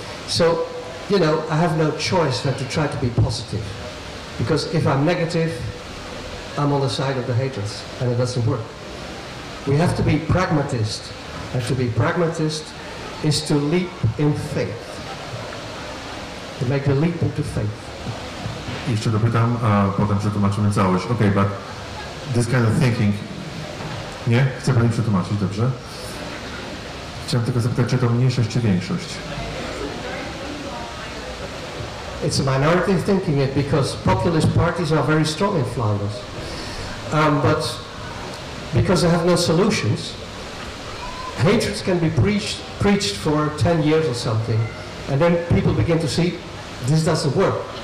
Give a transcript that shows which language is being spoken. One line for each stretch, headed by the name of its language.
English: So, you know, I have no choice than to try to be positive. Because if I'm negative, I'm on the side of the haters, and it doesn't work. We have to be pragmatist. And to be pragmatist is to leap in faith. To make a leap into faith.
Polish: Jeszcze dopytam, a potem przetłumaczymy całość.
English: Okay, but this kind of thinking...
Polish: Nie? Chcę pani przetłumaczyć, dobrze? Chciałem tylko zapytać, czy to mniejszość, czy większość?
English: It's a minority thinking it, because populist parties are very strong in Flanders. But because they have no solutions, hatreds can be preached for 10 years or something, and then people begin to see, this doesn't work.